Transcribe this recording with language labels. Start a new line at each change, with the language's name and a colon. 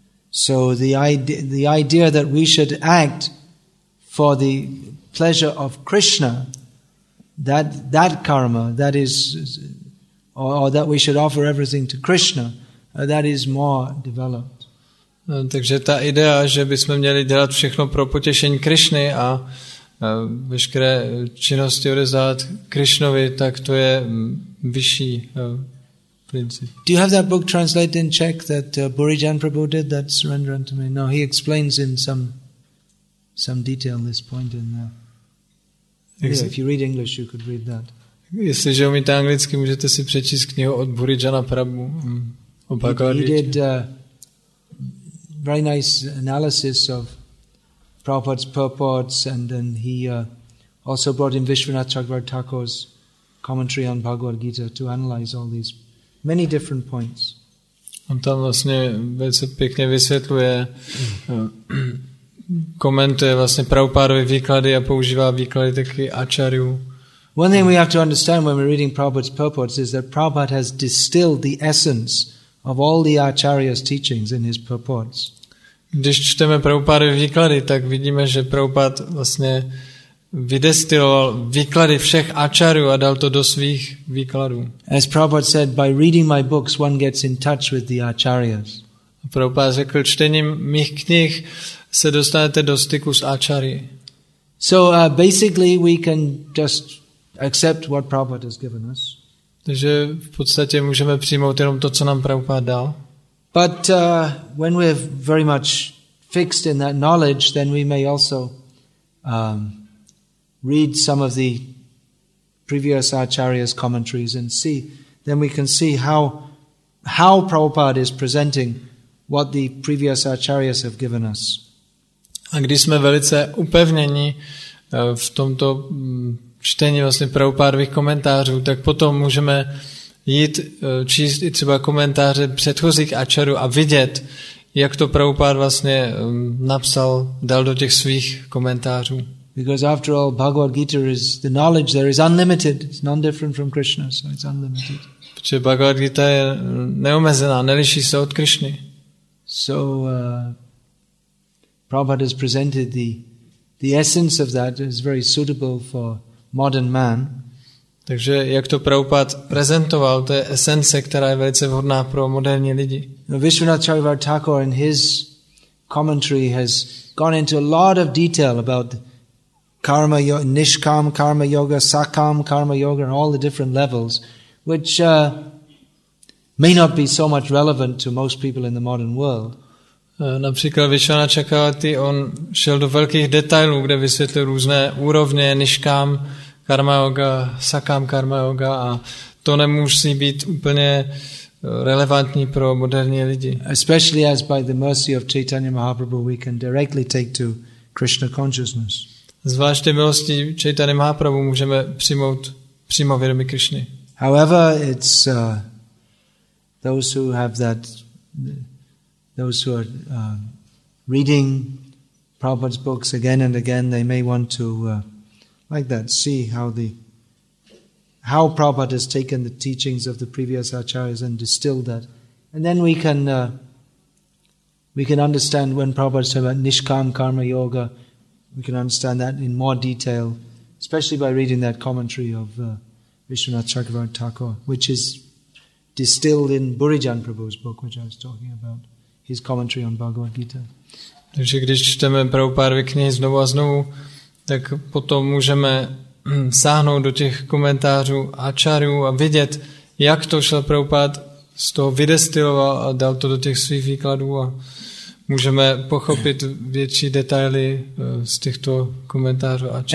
English: So the idea that we should act for the pleasure of Krishna, that karma, that is, or that we should offer everything to Krishna, that is more developed.
Czech: No, takže ta idea, že bychom měli dělat všechno pro potěšení Krishny a veškeré činnosti odezdat Krishnovi, tak to je vyšší princip.
English: Do you have that book translated in Czech that Burijan Prabhu did, that surrender unto me? No, he explains in some detail this point in there. Yes, if you read English, you could read that.
Czech: Jestliže umíte anglicky, můžete si přečíst knihu od Burijana Prabhu o Bhagavad
English: Gita. He did a very nice analysis of Prabhupada's purports, and then he also brought in Vishwanath Chakravarti Thakur's commentary on Bhagavad Gita to analyze all these many different points.
Czech: On tam vlastně velice pěkně vysvětluje, komentuje vlastně Prabhupádovy výklady a používá výklady taky Ačarjů.
English: One thing we have to understand when we're reading Prabhupada's purports is that Prabhupada has distilled the essence of all the Acharya's teachings in his purports.
Czech: Když čteme Prabhupádovy výklady, tak vidíme, že Prabhupáda vlastně vydestiloval výklady všech Acharyů a dal to do svých výkladů.
English: As Prabhupada said, by reading my books one gets in touch with the Acharyas.
Czech: Prabhupáda řekl, čtením mých knih se dostanete do styku s Acharyi.
English: So basically we can just accept what Prabhupada has given us.
Czech: Takže v podstatě můžeme přijmout jenom to, co nám Prabhupáda dal.
English: But when we're very much fixed in that knowledge, then we may also read some of the previous Acharya's commentaries and see, then we can see how Prabhupada is presenting what the previous Acharyas have given us.
Czech: A když jsme velice upevněni v tomto čtení vlastně Prabhupádových komentářů, tak potom můžeme jít číst i třeba komentáře předchozích Acharyů a vidět, jak to Prabhupáda vlastně napsal, dal do těch svých komentářů.
English: Because after all, Bhagavad Gita is the knowledge there is unlimited. It's non-different from Krishna, so it's unlimited.
Czech: Protože Bhagavad Gita je neomezená, neliší se od Krishny.
English: So Prabhupada has presented the essence of that is very suitable for modern man.
Czech: Takže jak to Prabhupád prezentoval, to je esence, která je velice vhodná pro moderní lidi.
English: Vishwanath Chakravarti Thakur in his commentary has gone into a lot of detail about karma, nishkam, karma yoga, sakam, karma yoga, and all the different levels, which may not be so much relevant to most people in the modern world.
Czech: Například Vishwanath Chakravarti, on šel do velkých detailů, kde vysvětlil různé úrovně nishkam, karma yoga, sakam karma yoga, a to nemusí být úplně relevantní pro moderní lidi.
English: Especially as by the mercy of Chaitanya Mahaprabhu we can directly take to Krishna consciousness.
Czech: Zvláště milostí Chaitanya Mahaprabhu můžeme přijmout přímo vědomí Krishny.
English: However, it's those who have that, those who are reading Prabhupada's books again and again, they may want to like that, see how Prabhupada has taken the teachings of the previous Acharyas and distilled that. And then we can understand when Prabhupada is talking about Nishkam Karma Yoga, we can understand that in more detail, especially by reading that commentary of Vishwanath Chakravarti Thakur, which is distilled in Burijan Prabhu's book, which I was talking about, his commentary on Bhagavad Gita.
Czech: Takže když čteme Prabhupádovy knihy znovu a znovu, tak potom můžeme sáhnout do těch komentářů Acharyů a vidět, jak to šel Prabhupád z toho vydestiloval a dal to do těch svých výkladů, a můžeme pochopit větší detaily z těchto komentářů Acharyů.